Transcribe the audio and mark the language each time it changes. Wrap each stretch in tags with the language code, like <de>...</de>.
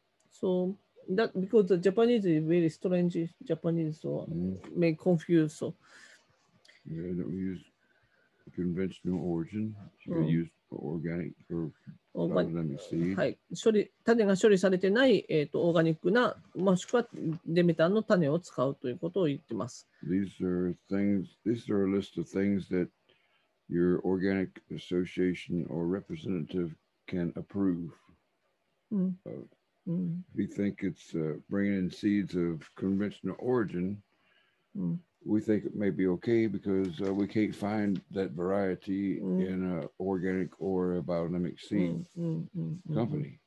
<en>So, that because the Japanese is very strange Japanese, so may confuse. So. Yeah, don't use conventional origin. You use organic or organic seed.</en> <ja>はい。種が処理されてない、オーガニックな、もしくはデメタンの種を使うということを言ってます。</ja> <en>These are a list of things that your organic association or representative can approve. We think it's bringing in seeds of conventional origin. We think it may be okay because we can't find that variety in an organic or a biodynamic seed company.</en>